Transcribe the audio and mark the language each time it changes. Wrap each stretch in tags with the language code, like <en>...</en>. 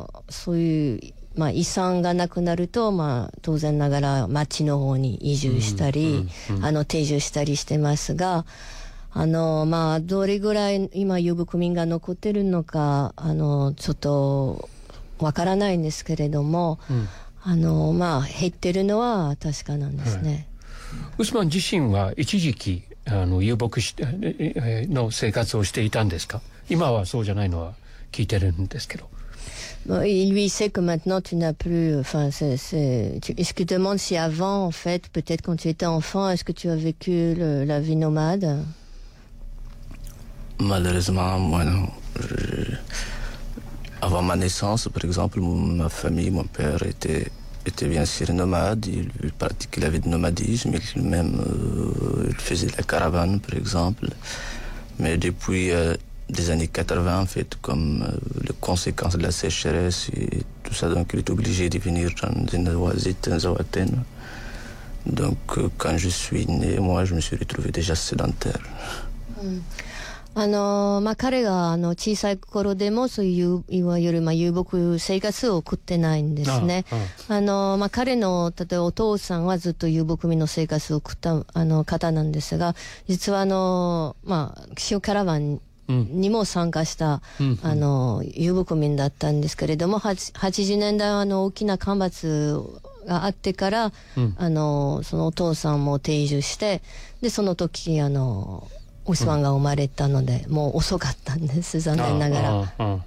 <ja>そういう遺産がなくなると、当然ながら町の方に移住したり、定住したりしてますが、どれぐらい今遊牧民が残ってるのか、ちょっとわからないんですけれども、減ってるのは確かなんですね。ウスマン自身は一時期遊牧の生活をしていたんですか？今はそうじゃないのは聞いてるんですけど。</ja> <fr>Il lui sait que maintenant tu n'as plus. Enfin, c'est. Est-ce qu'il demande si avant, en fait, peut-être quand tu étais enfant, est-ce que tu as vécu la vie nomade? Malheureusement, moi non. Avant ma naissance, par exemple, ma famille, mon père était bien sûr nomade. Il pratiquait la vie de nomadisme. Il faisait de la caravane, par exemple. Mais depuis. Des années 80, en fait, comme les conséquences de la sécheresse et tout ça, donc il est obligé de venir dans une oasis, dans un Zawaten. Donc, quand je suis né, moi, je me suis retrouvé déjà sédentaire.</fr> <ja>まあ、彼が小さい頃でもそういういわゆる、まあ、遊牧生活を送ってないんですね。まあ、彼の例えばお父さんはずっと遊牧民の生活を送った方なんですが、実はまあ、塩キャラバンにも参加した、うん、遊牧民だったんですけれども、80年代は大きな干ばつがあってから、うん、そのお父さんも定住して、で、その時、オスマンが生まれたので、うん、もう遅かったんです、残念ながら。</ja>